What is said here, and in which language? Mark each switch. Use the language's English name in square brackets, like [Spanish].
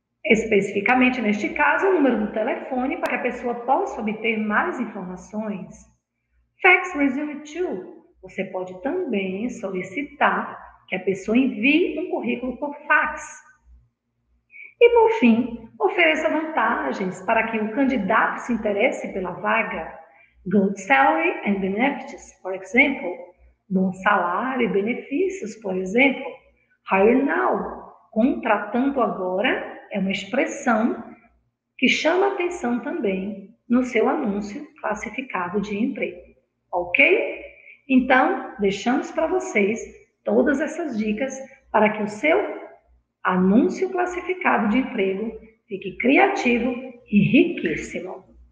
[Portuguese] Especificamente neste caso, o número do telefone para que a pessoa possa obter mais informações. [English] Fax resume to. [Portuguese] Você pode também solicitar que a pessoa envie um currículo por fax. E por fim, ofereça vantagens para que o candidato se interesse pela vaga. [English] Good salary and benefits, for example. [Portuguese] Bom salário e benefícios, por exemplo. [English] Hire now. [Portuguese] Contratando agora é uma expressão que chama atenção também no seu anúncio classificado de emprego. Ok? Então, deixamos para vocês todas essas dicas para que o seu anúncio classificado de emprego fique criativo e riquíssimo.